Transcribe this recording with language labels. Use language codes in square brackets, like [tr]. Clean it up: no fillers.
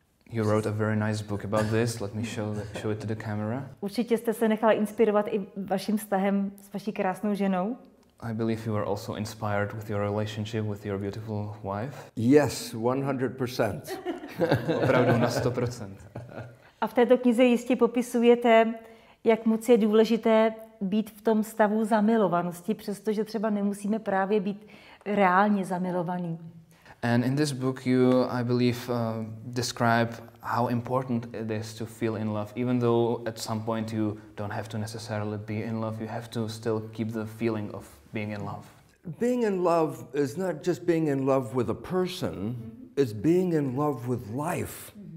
[en] You wrote a very nice book about this, let me show it to the camera. [cs] Určitě jste se nechali inspirovat i vaším vztahem s vaší krásnou ženou. [en] I believe you were also inspired with your relationship with your beautiful wife. Yes, 100%. [cs] Opravdu na 100%. A v této knize jistě popisujete, jak moc je důležité být v tom stavu zamilovanosti, přestože třeba nemusíme právě být reálně zamilovaný. [en] And in this book you, I believe, describe how important it is to feel in love, even though at some point you don't have to necessarily be in love, you have to still keep the feeling of being in love. Being in love is not just being in love with a person, it's being in love with life.